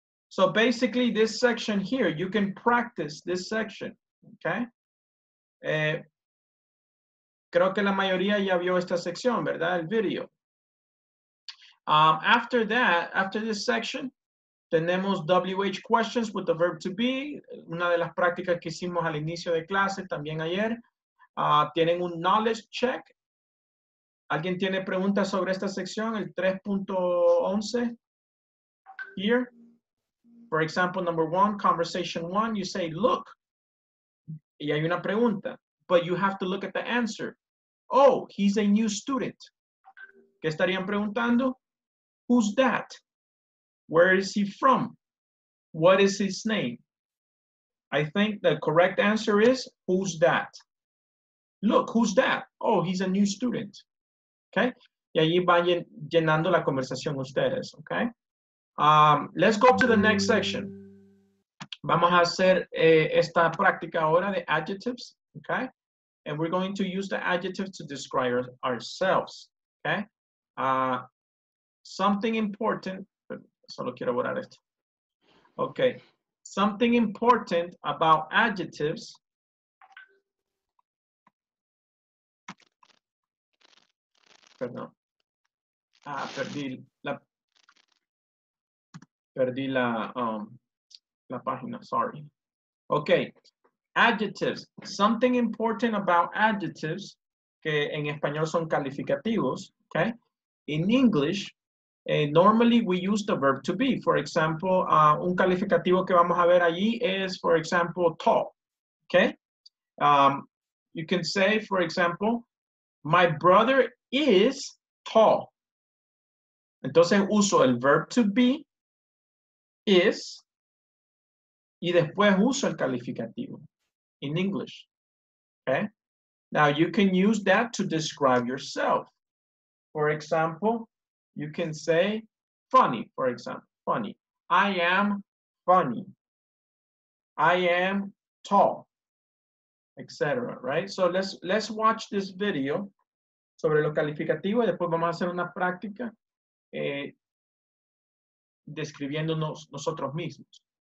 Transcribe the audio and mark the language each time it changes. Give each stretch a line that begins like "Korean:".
English: So basically this section here, you can practice this section. Okay.
Spanish: Creo que la mayoría ya vio esta sección, ¿verdad? El video.
English: After that, after this section,
Spanish: tenemos
English: WH questions with the verb to be.
Spanish: Una de las prácticas que hicimos al inicio de clase, también ayer. Tienen un
English: knowledge check.
Spanish: ¿Alguien tiene preguntas sobre esta sección? El 3.11.
English: Here. For example, number one, conversation one, you say, look.
Spanish: Y hay una pregunta.
English: But you have to look at the answer. Oh, he's a new student.
Spanish: ¿Qué estarían preguntando?
English: Who's that? Where is he from? What is his name? I think the correct answer is, who's that? Look, who's that? Oh, he's a new student. Okay?
Spanish: Y allí van llenando la conversación ustedes, okay?
English: Let's go to the next section.
Spanish: Vamos a hacer esta práctica ahora de adjectives, okay?
English: And we're going to use the adjective to describe ourselves, okay? Something important,
Spanish: solo quiero borrar esto.
English: Okay, something important about adjectives
Spanish: la página,
English: sorry. Okay, adjectives. Something important about adjectives,
Spanish: que en español son calificativos,
English: okay? In English, normally we use the verb to be. For example,
Spanish: un calificativo que vamos a ver allí
English: is, for example, tall,
Spanish: okay?
English: You can say, for example, my brother is tall.
Spanish: Entonces uso el
English: verb to be, is,
Spanish: y después uso el calificativo
English: in English,
Spanish: okay?
English: Now you can use that to describe yourself. For example, you can say funny, for example, funny. I am funny. I am tall, etc. Right? So let's watch this video
Spanish: sobre lo calificativo y después vamos a hacer una práctica describiéndonos nosotros mismos.